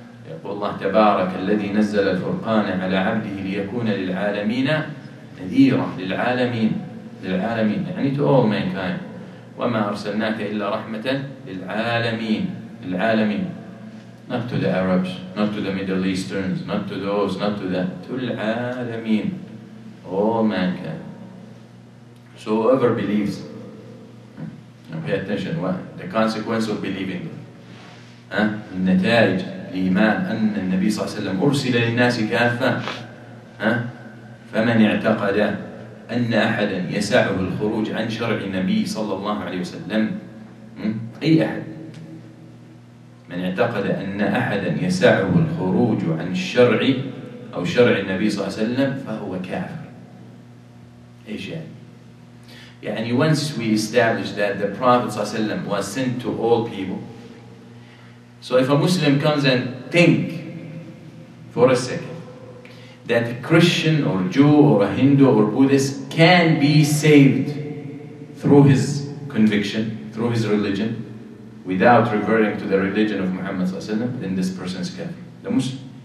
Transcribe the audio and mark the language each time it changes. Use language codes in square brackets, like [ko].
[ar] يقول الله تبارك الذي نزل الفرقان على عبده ليكون للعالمين نذيرا للعالمين للعالمين يعني [en] to all mankind. [ar] وَمَا أَرْسَلْنَاكَ إِلَّا رَحْمَةً لِلْعَالَمِينَ للعالمين. [en] Not to the Arabs, not to the Middle Easterns, not to those, not to that. To العالمين. All mankind. So whoever believes, pay attention, what? The consequence of believing. [ar] النتائج الإيمان أن النبي صلى الله عليه وسلم أرسل للناس كافة. فمن اعتقد أن أحدا يسعه الخروج عن شرع النبي صلى الله عليه وسلم. أي أحد. من اعتقد أن أحدا يسعه الخروج عن الشرع أو شرع النبي صلى الله عليه وسلم فهو كافر. إيش يعني؟ يعني [en] once we establish that the Prophet صلى الله عليه وسلم was sent to all people, so if a Muslim comes and think for a second that a Christian or Jew or a Hindu or Buddhist can be saved through his conviction, through his religion, without reverting to the religion of Muhammad sallallahu alaihi wasallam, then this person is kafir, the Muslim.